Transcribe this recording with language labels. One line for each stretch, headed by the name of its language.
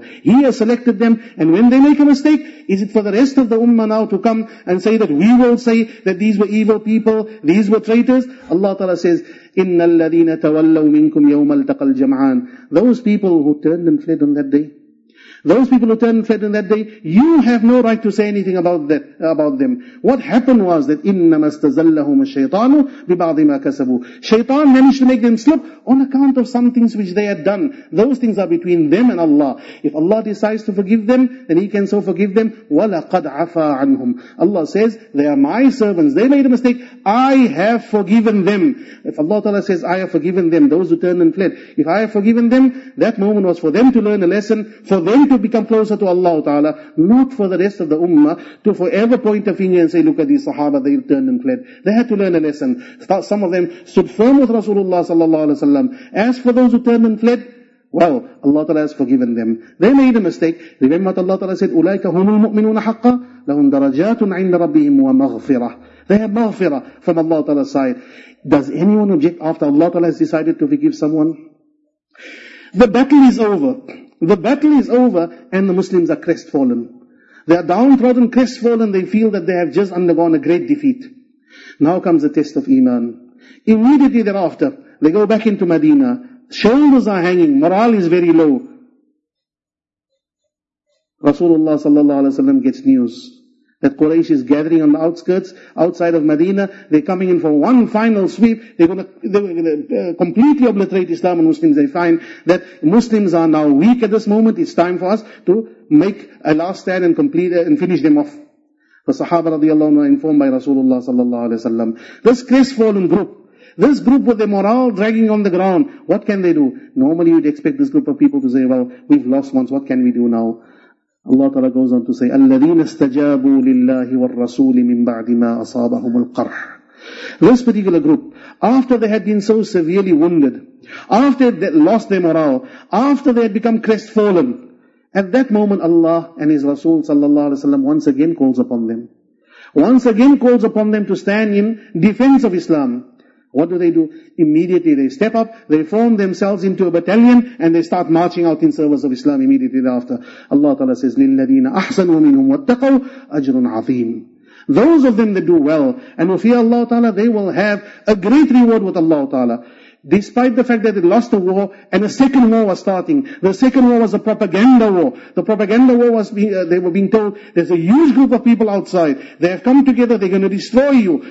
English: He has selected them. And when they make a mistake, is it for the rest of the ummah now to come and say that we will say that these were evil people, these were traitors? Allah Ta'ala says,
Arabic: إِنَّ الَّذِينَ تَوَلَّوْا مِنْكُمْ يَوْمَ الْتَقَى الْجَمْعَانِ.
English: Those people who turned and fled on that day, Those people who turned and fled in that day, you have no right to say anything about that, about them. What happened was that
Arabic: إِنَّمَا اسْتَزَلَّهُمَ الشَّيْطَانُ بِبَعْضِ مَا كَسَبُوا.
English: Shaitan managed to make them slip on account of some things which they had done. Those things are between them and Allah. If Allah decides to forgive them, then He can so forgive them.
Arabic: وَلَقَدْ عَفَى عَنْهُمْ.
English: Allah says, they are my servants. They made a mistake. I have forgiven them. If Allah Ta'ala says, I have forgiven them, those who turned and fled. If I have forgiven them, that moment was for them to learn a lesson, for them to become closer to Allah Ta'ala, not for the rest of the ummah to forever point a finger and say, look at these sahaba, they turned and fled. They had to learn a lesson. Some of them stood firm with Rasulullah sallallahu alaihi wasallam. As for those who turned and fled, well, Allah Ta'ala has forgiven them. They made a mistake. Remember what Allah Ta'ala said,
Arabic: أُولَيْكَ هُمُ الْمُؤْمِنُونَ حَقَّ لَهُمْ دَرَجَاتٌ عِنَّ رَبِّهِمْ وَمَغْفِرَةٌ.
English: They have maghfirah from Allah Ta'ala's side. Does anyone object after Allah Ta'ala has decided to forgive someone? The battle is over. The battle is over and the Muslims are crestfallen. They are downtrodden, crestfallen. They feel that they have just undergone a great defeat. Now comes the test of Iman. Immediately thereafter, they go back into Medina. Shoulders are hanging. Morale is very low. Rasulullah sallallahu alaihi wasallam gets news that Quraysh is gathering on the outskirts, outside of Medina. They're coming in for one final sweep. They're going to completely obliterate Islam and Muslims. They find that Muslims are now weak at this moment. It's time for us to make a last stand and complete and finish them off. The Sahaba radiallahu anhu are informed by Rasulullah sallallahu alaihi wasallam. This crestfallen group, this group with their morale dragging on the ground, what can they do? Normally you'd expect this group of people to say, well, we've lost once, what can we do now? Allah Ta'ala goes on to say,
Arabic: الَّذِينَ اسْتَجَابُوا لِلَّهِ وَالرَّسُولِ مِنْ بَعْدِ مَا أَصَابَهُمُ الْقَرْحِ.
English: This particular group, after they had been so severely wounded, after they lost their morale, after they had become crestfallen, at that moment Allah and His Rasul sallallahu alaihi wasallam once again calls upon them. Once again calls upon them to stand in defense of Islam. What do? Immediately they step up, they form themselves into a battalion, and they start marching out in service of Islam immediately thereafter. Allah Ta'ala says,
Arabic: لِلَّذِينَ أَحْسَنُوا مِنْهُمْ وَاتَّقَوْا أَجْرٌ عَظِيمٌ.
English: Those of them that do well, and who fear Allah Ta'ala, they will have a great reward with Allah Ta'ala. Despite the fact that they lost the war, and a second war was starting. The second war was a propaganda war. The propaganda war was, they were being told, there's a huge group of people outside. They have come together, they're going to destroy you.